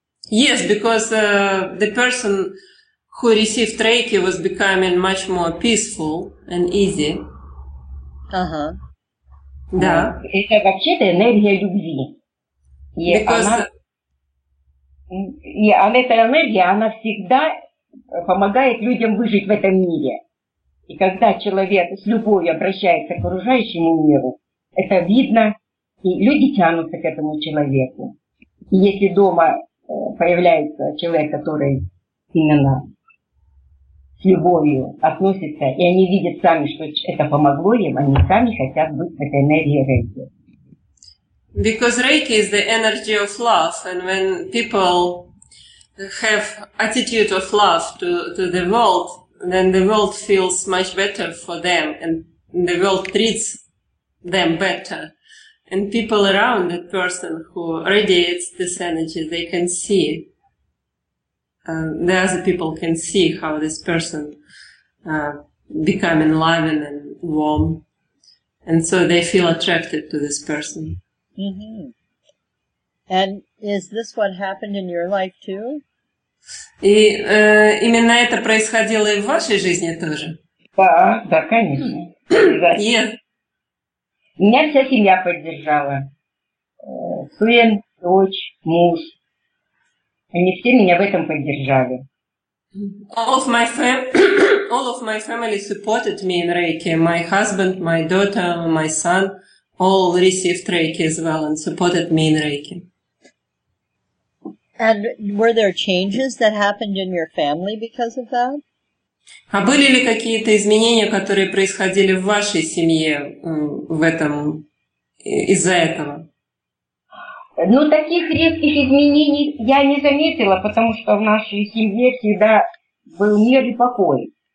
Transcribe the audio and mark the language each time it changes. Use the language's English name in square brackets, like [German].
[English] Yes, because the person who received Reiki was becoming much more peaceful and easy. Uh-huh. [Russian] Да. Это вообще-то энергия любви. Эта энергия, она всегда помогает людям выжить в этом мире. И когда человек с любовью обращается к окружающему миру, это видно. И люди тянутся к этому человеку. И если дома появляется человек, который именно с любовью относится, и они видят сами, что это помогло им, они сами хотят быть в этой энергии Рейки. [English] Because Reiki is the energy of love, and when people have attitude of love to the world, then the world feels much better for them, and the world treats them better. And people around that person who radiates this energy, they can see. The other people can see how this person become enlivened and warm. And so they feel attracted to this person. Mm-hmm. And is this what happened in your life too? [Russian] И именно это происходило и в вашей жизни тоже? Да, конечно. Да. [English] Yeah. [Russian] Меня вся семья поддержала. Сын, дочь, муж. Они все меня в этом поддержали. [English] All of my family supported me in Reiki. My husband, my daughter, my son all received Reiki as well and supported me in Reiki. And were there changes that happened in your family because of that? [Russian] А были ли какие-то изменения, которые происходили в вашей семье в этом из-за этого? Ну, таких резких изменений я не заметила, потому что в нашей семье всегда был мир и покой.